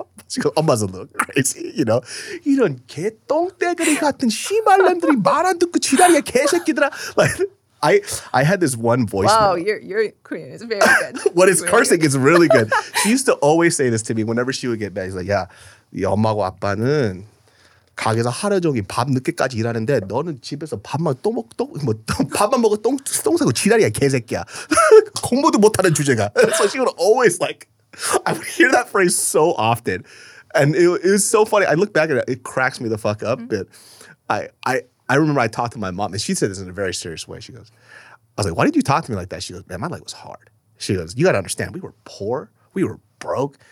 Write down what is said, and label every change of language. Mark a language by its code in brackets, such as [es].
[en] She goes, I'm a little crazy, you know. [ko] 이런 개똥대그리 같은 시발랜들이 말 안 듣고 지랄이야 개새끼들아. [en] Like, I had this one voice. Wow, your Korean is very good. What is cursing is really good. She used to always say this to me whenever she would get mad. She's like, yeah, [ko] 이 엄마고 아빠는 가게에서 하루 종일 밤 늦게까지 일하는데 너는 집에서 밥만 또 먹 똥 뭐 밥만 먹어 똥 싸고 지랄이야 개새끼야. 공부도 못하는 주제가. [en] So she would always like, I would hear that phrase so often. And it was so funny. I look back at it, it cracks me the fuck up. Mm-hmm. But I remember I talked to my mom, and she said this in a very serious way. She goes, I was like, why did you talk to me like that? She goes, man, my life was hard. She goes, you got to understand, we were poor. We were broke.